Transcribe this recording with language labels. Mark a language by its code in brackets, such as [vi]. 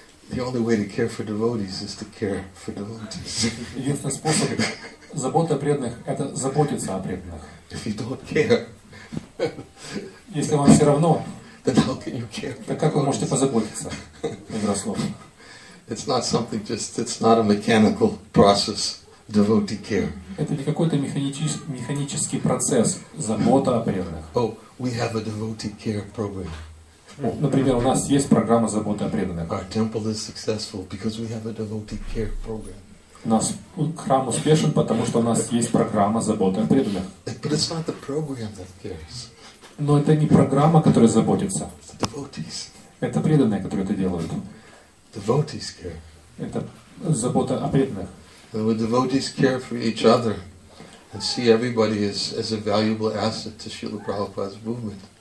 [en] The only way to care for devotees is to care for devotees. [ru] Единственный способ заботы о преданных – это заботиться о преданных. [en] If you don't care. [ru] Если вам все равно, [en] then how something you care about. [ru] Так как вы можете позаботиться? [en] It's not something just, it's not a mechanical process, devotee care. [ru] Это не какой-то механический процесс, забота о преданных. [en] Oh, we have a devotee care program. [ru] Например, у нас есть программа заботы о преданных. [en] Our temple is successful because we have a devotee care program. [ru] Наш храм успешен, потому что у нас есть программа заботы о преданных. [en] But it's not the program that cares. [ru] Но это не программа, которая заботится. Это преданные, которые это делают. [en] Devotees care. [ru] Это забота о преданных. [en] The devotees care for each other and see everybody as a valuable asset to Srila Prabhupada's movement.